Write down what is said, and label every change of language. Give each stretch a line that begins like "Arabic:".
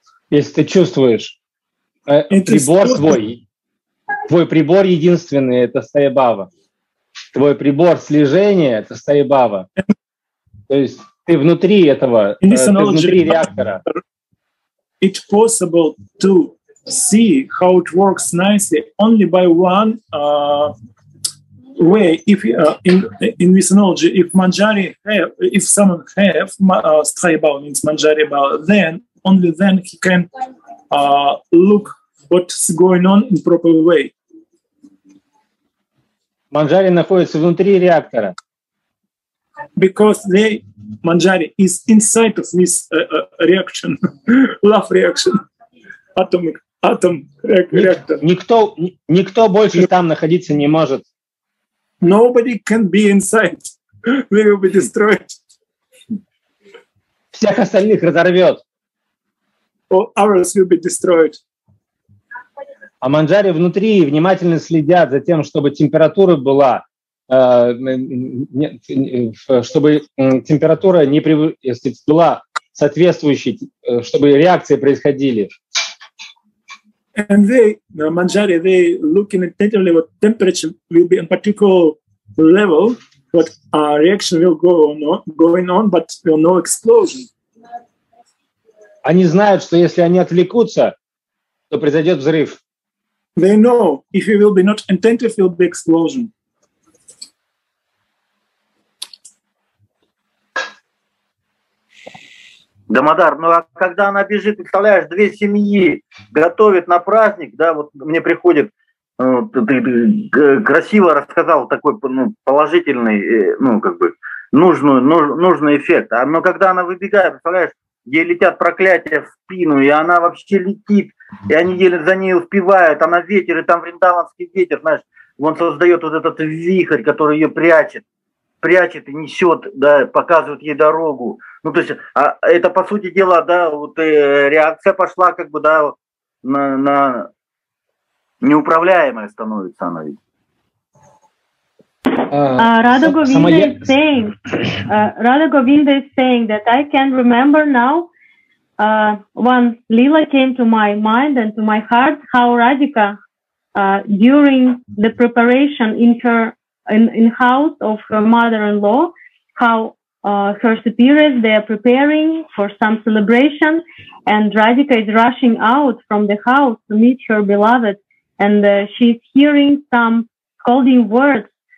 Russian: Если ты чувствуешь, прибор твой прибор единственный — это стая бава. Твой прибор слежения — это стая бава. То есть ты внутри этого, внутри реактора.
English: It's possible to see how it works nicely only by one way. If in this analogy, if Manjari have, if someone have стая бава, means Manjari бава, then only then he can look what's going on in proper way.
Russian: Манджари находится внутри реактора.
English: Because they Manjari is inside of this reaction, love reaction, atomic, atom reactor.
Russian: Никто больше там находиться не может.
English: Nobody can be inside. We will be destroyed.
Russian: Всех остальных разорвет.
English: All others will be destroyed.
Russian: А Манджари внутри внимательно следят за тем, чтобы температура была, чтобы температура не была соответствующей, чтобы реакции происходили.
English: And they, Manjari, they look intently what temperature will be in particular level, what reaction will go on, going on, but will no explosion.
Russian: Они знают, что если они отвлекутся, то произойдет взрыв.
English: They know if you will be not intentive, it will be explosion.
Russian: Дамодар, ну а когда она бежит, представляешь, две семьи готовят на праздник, да, вот мне приходит, ну, ты красиво рассказал такой, ну, положительный, ну, как бы, нужный эффект. А, но когда она выбегает, представляешь, ей летят проклятия в спину, и она вообще летит, и они еле за ней успевают, она ветер, и там вриндаванский ветер, знаешь, он создает вот этот вихрь, который ее прячет. Прячет и несет, да, показывает ей дорогу. Ну, то есть, а это, по сути дела, да, вот реакция пошла, как бы, да, на неуправляемая становится она.
English: Радуго Винда is saying, Радуго Винда is saying that I can remember now when Lila came to my mind and to my heart, how Radhika during the preparation in her in house of her mother-in-law, how her superiors, they are preparing for some celebration, and Radhika is rushing out from the house to meet her beloved, and she's hearing some scolding words